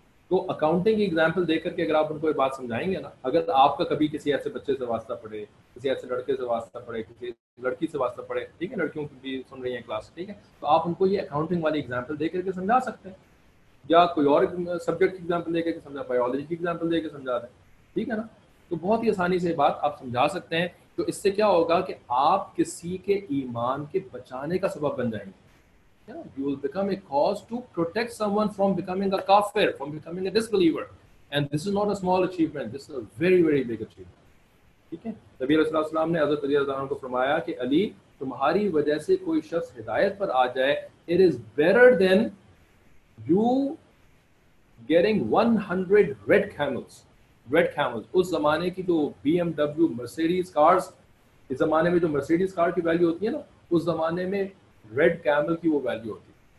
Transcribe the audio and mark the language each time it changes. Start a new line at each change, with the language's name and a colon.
Urdu: تو اکاؤنٹنگ کی ایگزامپل دیکھ کر کے اگر آپ ان کو یہ بات سمجھائیں گے نا, اگر آپ کا کبھی کسی ایسے بچے سے واسطہ پڑے, کسی ایسے لڑکے سے واسطہ پڑے, کسی لڑکی سے واسطہ پڑے, ٹھیک ہے, لڑکیوں کی بھی سن رہی ہیں کلاس, ٹھیک ہے, تو آپ ان کو یہ اکاؤنٹنگ والی ایگزامپل دے کر کے سمجھا سکتے ہیں, یا کوئی اور سبجیکٹ کی ایگزامپل دے کر کے سمجھا, بایولوجی کی ایگزامپل دے کے سمجھا دیں, ٹھیک ہے نا. تو بہت ہی آسانی سے بات آپ سمجھا سکتے ہیں. تو اس سے کیا ہوگا کہ آپ کسی کے ایمان کے بچانے کا سبب بن جائیں گے.
English: You will become a cause to protect someone from becoming a kafir, from becoming a disbeliever. And this is not a small achievement. This is a very, very big achievement.
Urdu: ٹھیک ہے. نبی علیہ الصلوۃ والسلام نے حضرت علی رضی اللہ عنہ کو فرمایا کہ علی تمہاری وجہ سے کوئی شخص ہدایت پر آ جائے,
English: It is better than you getting 100 red camels.
Urdu: Red camels اس زمانے کی جو B M W Mercedes cars, اس زمانے میں جو مرسیڈیز کار کی ویلیو ہوتی ہے نا, اس زمانے میں ریڈ کیمل کی وہ ویلیو ہوتی ہے.